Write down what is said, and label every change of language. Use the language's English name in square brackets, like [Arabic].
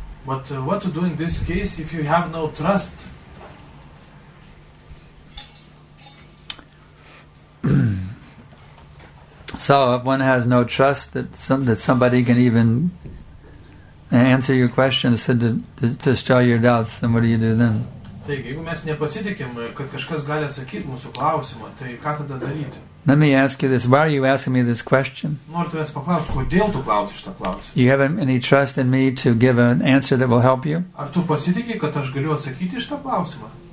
[English] But what to do in this case if you have no trust? So, if one has no trust that somebody can even answer your question, so to destroy your doubts, then what do you do then? [Lithuanian] Taigi, jeigu mes nepasitikim, kad kažkas gali atsakyti mūsų klausimą, tai ką tada daryti? [English] Let me ask you this. Why are you asking me this question? [Lithuanian] Noriu tavęs paklausti, kodėl tu klausi šitą klausimą? [English] You have any trust in me to give an answer that will help you? [Lithuanian] Ar tu pasitiki, kad aš galiu atsakyti šitą klausimą?